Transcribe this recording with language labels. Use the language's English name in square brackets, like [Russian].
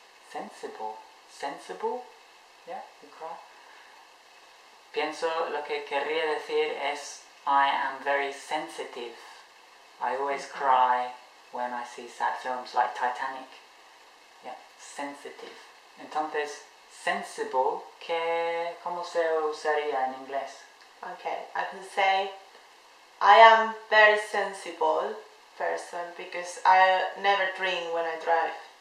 [English] Sensible? Yeah, you cry. [Spanish] Pienso lo que querría decir es [English] I am very sensitive. I always [Spanish] mm-hmm. [English] cry when I see sad films like Titanic. Yeah, sensitive. [Spanish] Entonces, sensible, ¿qué, cómo se usaría en inglés? [English] Okay, I can say I am very sensible person because I never drink when I drive.